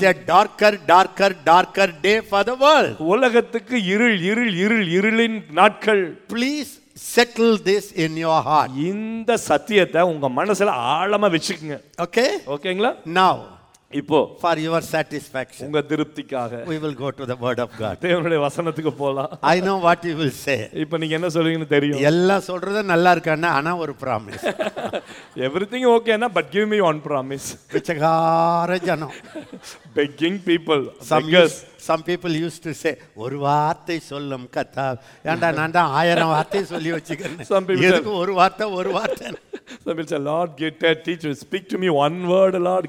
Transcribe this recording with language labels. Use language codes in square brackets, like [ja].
[en] is a darker darker darker day for the world. [ta] உலகத்துக்கு இருள் இருள் இருள் இருளின். [en] Please settle this in your heart. [ta] இந்த சத்தியத்தை உங்க மனசுல ஆழமா வெச்சுக்கங்க. [en] Okay? [ta] Okayங்களா? [en] Now, [ta] இப்போ [en] for your satisfaction [ta] உங்க திருப்திக்காக [en] we will go to the word of god [ta] தேவனுடைய வசனத்துக்கு போலாம் [en] i know what you will say [ta] இப்போ நீங்க என்ன சொல்வீங்கன்னு தெரியும் எல்லாம் சொல்றது நல்லா இருக்கானே ஆனா ஒரு பிராமிஸ் [en] everything ஓகேனா but give me one promise [ta] பிச்சகார ஜனம் [en] begging people beggars some people used to say [ta] ஒரு வார்த்தை சொல்லும் கதா ஏண்டா நான் தான் ஆயிரம் வார்த்தை சொல்லி வச்சிருக்கேன் எதுக்கு ஒரு வார்த்தை [en] Some people say, Lord, get that teacher, speak to me one word, Lord.